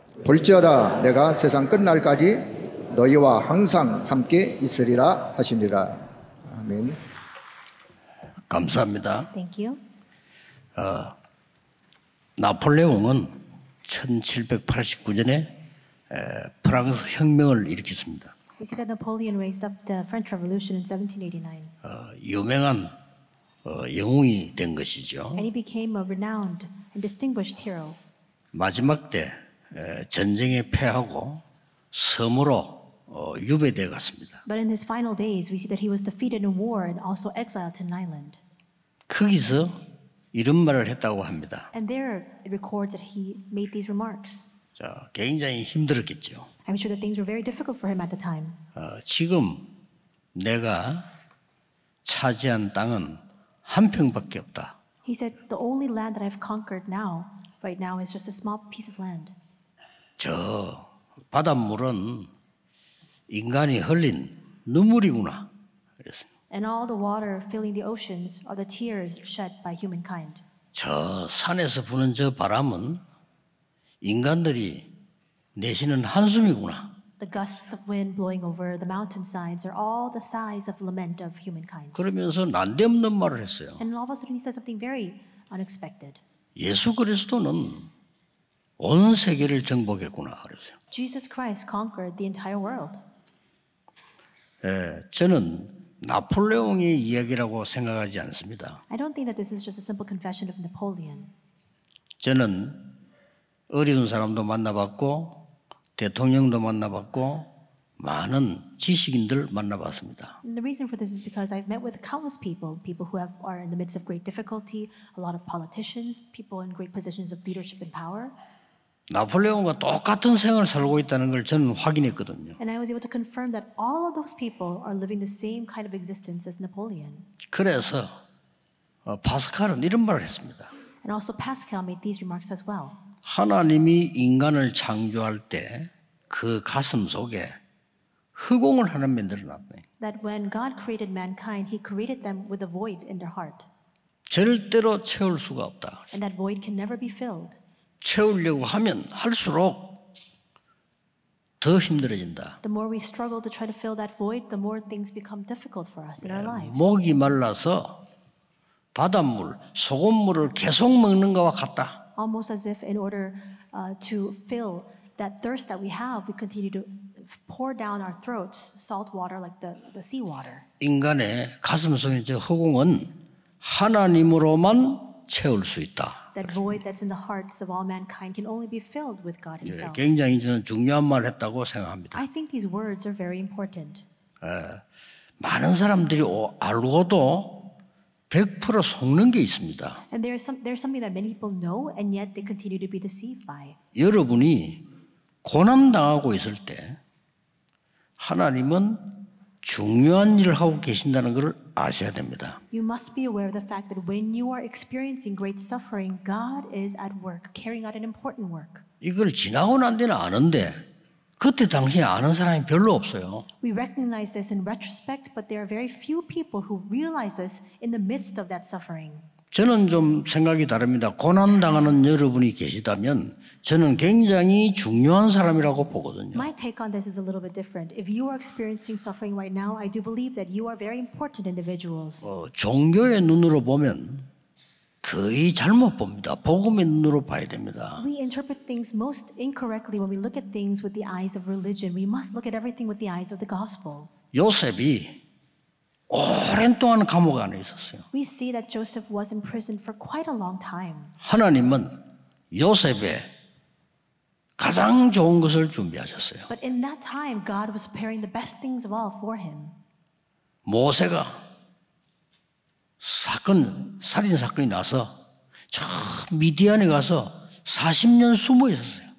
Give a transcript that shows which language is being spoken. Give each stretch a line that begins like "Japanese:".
Korean: 볼지어다 내가 세상 끝날까지 너희와 항상 함께 있으리라 하시니라. 아멘. 감사합니다.
English: Thank you.
Korean: 나폴레옹은 1789년에 프랑스 혁명을 일으켰습니다.
English: We see that Napoleon raised up the French Revolution in 1789.
Korean: 유명한 영웅이 된 것이죠.
English: And he became a renowned and distinguished hero.
Korean: 마지막 때 전쟁에 패하고 섬으로 유배되어 갔습니다.
English: But in his final days, we see that he was defeated in war and also exiled to an island.
Korean: 거기서 이런 말을 했다고 합니다.
English: And there it records that he made these remarks.
Korean: 자, 굉장히 힘들었겠죠.
English: I'm sure that things were very difficult for him at the time.
Korean: 지금 내가 차지한 땅은 한 평밖에 없다.
English: He said the only land that I've conquered now right now is just a small piece of land.
Korean: 저 바닷물은 인간이 흘린 눈물이구나. 그랬어요.
English: And all the water filling the oceans are the tears shed by humankind.
Korean: 저 산에서 부는 저 바람은 인간들이 내쉬는 한숨이구나.
English: The gusts of wind blowing over the mountainsides are all the sighs of lament of humankind.
Korean: 그러면서 난데없는 말을 했어요.
English: And all of a sudden he says something very unexpected.
Korean: 예수 그리스도는 온 세계를 정복했구나 그랬어요.
English: Jesus Christ conquered the entire world.
Korean: 예, 저는 나폴레옹의 이야기라고 생각하지 않습니다.
English: I don't think that this is just a simple confession of Napoleon.
Korean: 저는 어려운 사람도 만나봤고 대통령도 만나봤고 많은 지식인들 만나봤습니다.
English: And the reason for this is because I've met with countless people, people who are in the midst of great difficulty, a lot of politicians, people in great positions of leadership and power.
Korean: 나폴레옹과 똑같은 생을 살고 있다는 걸 저는 확인했거든요.
English: And I was able to confirm that all of those people are living the same kind of existence as Napoleon.
Korean: 그래서 파스칼은 이런 말을 했습니다.
English: And also Pascal made these remarks as well.
Korean: 하나님이 인간을 창조할 때 그 가슴 속에 허공을 하나 만들어 놨네.
English: That when God created mankind, he created them with a void in their heart.
Korean: 절대로 채울 수가 없다.
English: And that void can never be filled.
Korean: 채우려고 하면 할수록 더 힘들어진다.
English: The more we struggle to try to fill that void, the more things become difficult for us in our lives.
Korean: 목이 말라서 바닷물, 소금물을 계속 먹는 것과 같다.
English: Almost as if in order to fill that thirst that we have, we continue to pour down our throats salt water like the sea water.
Korean: 인간의 가슴 속의 저 허공은 하나님으로만 채울 수 있다.
English: That void that's in the hearts of all mankind can only be filled with God Himself.
Korean: 예, 굉장히 저는 중요한 말을 했다고 생각합니다.
English: I think these words are very important.
Korean: 예, 많은 사람들이 알고도 100% 속는 게 있습니다.
English: And there's something that many people know and yet they continue to be deceived by.
Korean: 여러분이 고난 당하고 있을 때 하나님은 중요한 일을 하고 계신다는 것을 아셔야 됩니다.
English: You must be aware of the fact that when you are experiencing great suffering, God is at work, carrying out an important work.
Korean: 이걸 지나고 난 뒤는 아는데 그때 당시에 아는 사람이 별로 없어요.
English: We recognize this in retrospect, but there are very few people who realize this in the midst of that suffering.
Korean: 저는 좀 생각이 다릅니다. 고난 당하는 여러분이 계시다면 저는 굉장히 중요한 사람이라고 보거든요.
English: My take on this is a little bit different. If you are experiencing suffering right now, I do believe that you are very important individuals.
Korean: 종교의 눈으로 보면 거의 잘못 봅니다. 복음의 눈으로 봐야 됩니다.
English: We interpret things most incorrectly when we look at things with the eyes of religion. We must look at everything with the eyes of the gospel.
Korean: 요셉이 오랜 동안 감옥 안에 있었어요.
English: We see that Joseph was in prison for quite a long time.
Korean: 하나님은 요셉의 가장 좋은 것을 준비하셨어요.
English: But in that time, God was preparing the best things of all for him.
Korean: 모세가 사건 살인 사건이 나서 저 미디안에 가서 40년 숨어 있었어요.